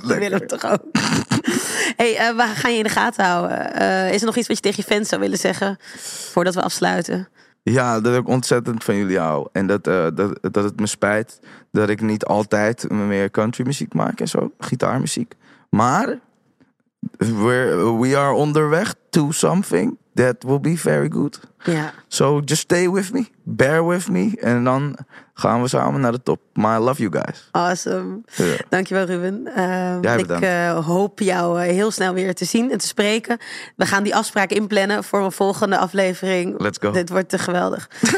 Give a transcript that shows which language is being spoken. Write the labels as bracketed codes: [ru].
[nl] we willen het toch ook. Hé, we gaan je in de gaten houden. Is er nog iets wat je tegen je fans zou willen zeggen? Voordat we afsluiten. Ja, dat ik ontzettend van jullie hou. En dat het me spijt dat ik niet altijd meer country muziek maak en zo. Gitaarmuziek. [en] Maar we are [nl] onderweg [en] to something that will be very good. [nl] Ja. [en] So just stay with me. Bear with me. [nl] En dan gaan we samen naar de top. [en] Maar I love you guys. [nl] Awesome. Ja. Dankjewel Ruben. Jij ik hoop jou heel snel weer te zien en te spreken. We gaan die afspraak inplannen voor mijn volgende aflevering. [en] Let's go. [nl] Dit wordt te geweldig.